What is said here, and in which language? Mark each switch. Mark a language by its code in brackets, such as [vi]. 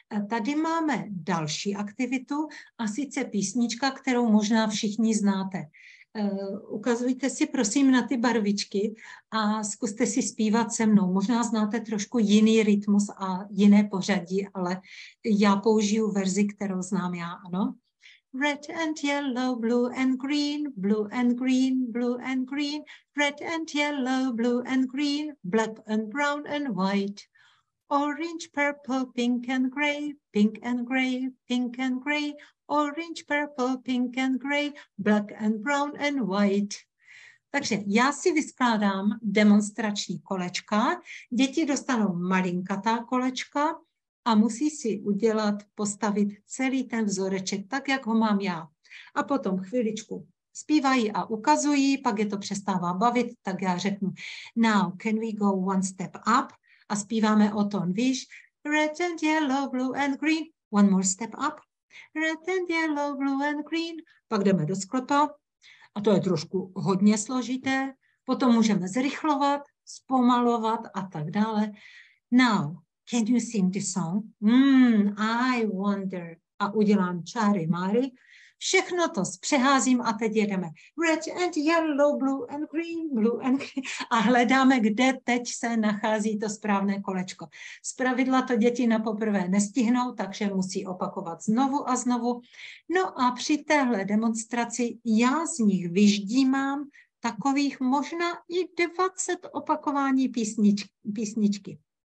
[cs] Tady máme další aktivitu, a sice písnička, kterou možná všichni znáte. Ukazujte si prosím na ty barvičky a zkuste si zpívat se mnou. Možná znáte trošku jiný rytmus a jiné pořadí, ale já použiju verzi, kterou znám já, ano. [en] Red and yellow, blue and green, blue and green, blue and green, red and yellow, blue and green, black and brown and white. Orange, purple, pink and grey, pink and grey, pink and grey, orange, purple, pink and grey, black and brown and white. [cs] Takže já si vyskládám demonstrační kolečka, děti dostanou malinkatá kolečka a musí si udělat, postavit celý ten vzoreček tak, jak ho mám já. A potom chviličku zpívají a ukazují, pak je to přestává bavit, tak já řeknu, [en] now can we go one step up? [cs] A zpíváme o tom, víš, [en] red and yellow, blue and green, [cs] one more step up, red and yellow, blue and green, pak jdeme do sklepa, a to je trošku hodně složité, potom můžeme zrychlovat, zpomalovat a tak dále. [en] Now, can you sing this song? I wonder, [cs] a udělám čáry máry, všechno to zpřeházím a teď jedeme. [en] Red and yellow, blue and green. [cs] A hledáme, kde teď se nachází to správné kolečko. Z pravidla to děti na poprvé nestihnou, takže musí opakovat znovu a znovu. No a při téhle demonstraci já z nich vyždímám takových možná i 20 opakování písničky.